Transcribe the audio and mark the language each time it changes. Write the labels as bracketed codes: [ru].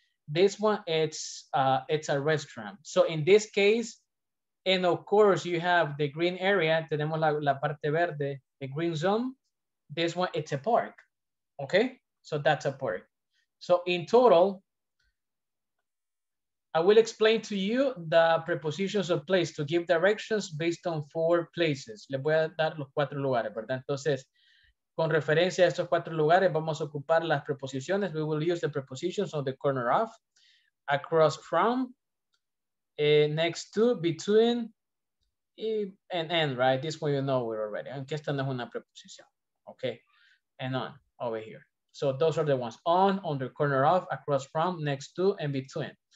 [en] This one, it's a restaurant. So in this case, and of course you have the green area, [es] tenemos la parte verde, [en] the green zone. This one, it's a park, okay? So that's a park. So in total, I will explain to you the prepositions of place to give directions based on four places. [es] Les voy a dar los cuatro lugares, ¿verdad? Entonces, con referencia a estos cuatro lugares, vamos a ocupar las preposiciones. [en] We will use the prepositions on the corner of, across from, next to, between, and, right? This one you know already. [es] Aunque esta no es una preposición. [en] Okay, and on, over here. So those are the ones, on the corner of, across from, next to, and between.